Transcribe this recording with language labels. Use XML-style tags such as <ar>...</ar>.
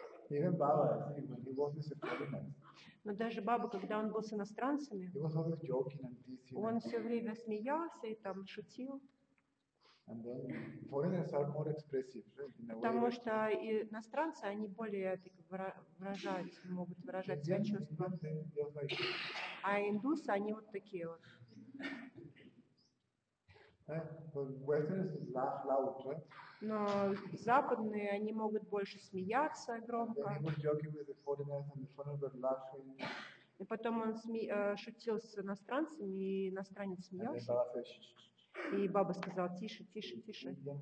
<en>Even Baba, when he was with a foreigner.</en> <ru>Но даже Баба, когда он был с иностранцами,</ru> <en>he was always joking and teasing.</en> <ru>Он все время смеялся и там шутил.</ru> <en>And then foreigners are more expressive, right? In a</en> <ru>потому</ru> <en>way,</en> <ru>что иностранцы, они более так, могут выражать свои чувства.</ru> <en>Like...</en> <ru>А индусы, они вот такие вот.</ru> <en>Westerners laugh loud, right?</en> <ru>Но западные, они могут больше смеяться громко.</ru> <en>He was joking with the foreigners and the foreigners were laughing.</en> <ru>И потом он шутил с иностранцами, и иностранец смеялся.</ru> <en>And then Baba says,</en> <ru>и Баба сказал, тише, тише, тише.</ru>